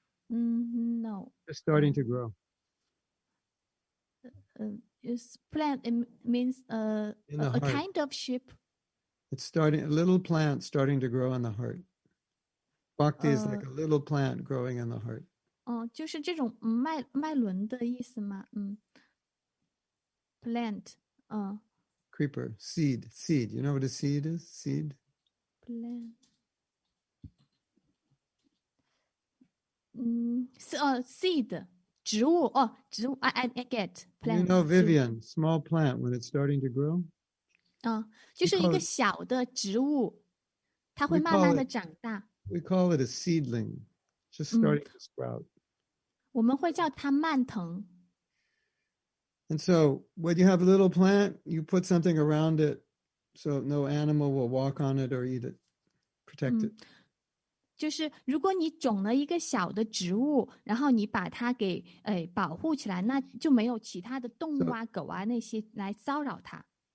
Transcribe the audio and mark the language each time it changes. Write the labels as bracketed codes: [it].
[en] No. It's starting to grow. Plant, it means a kind of ship. It's starting, a little plant starting to grow in the heart. Bhakti is like a little plant growing in the heart. [zh] 就是这种麦轮的意思吗？ [en] Plant. Creeper. Seed. Seed. You know what a seed is? Seed. Plant. Seed. [zh] 植物, [en] oh, 植物, I get plant. You know Vivian, small plant when it's starting to grow? [zh] 就是一个小的植物, [en] we call it a seedling, just starting to sprout. [zh] 我们会叫它蔓藤。 [en] And so when you have a little plant, you put something around it so no animal will walk on it or eat it, protect it. [zh] 就是如果你种了一个小的植物，然后你把它给保护起来，那就没有其他的动物啊、狗啊那些来骚扰它。